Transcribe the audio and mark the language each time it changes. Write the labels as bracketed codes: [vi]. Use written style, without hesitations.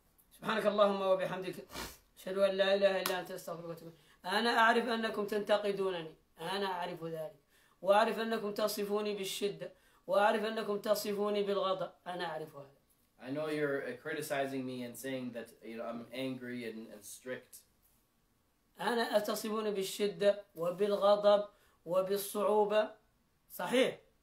[ar] سبحانك اللهم وبحمدك أشهد أن لا إله إلا أنت أستغفرك وأتوب إليك. أنا أعرف أنكم تنتقدونني أنا أعرف ذلك وأعرف أنكم تصفوني بالشدة وأعرف أنكم تصفوني بالغضب أنا أعرف هذا. [en] I know you're criticizing me and saying that you know I'm angry and strict. [ar] أنا أتصفوني بالشدة وبالغضب وبالصعوبة صحيح.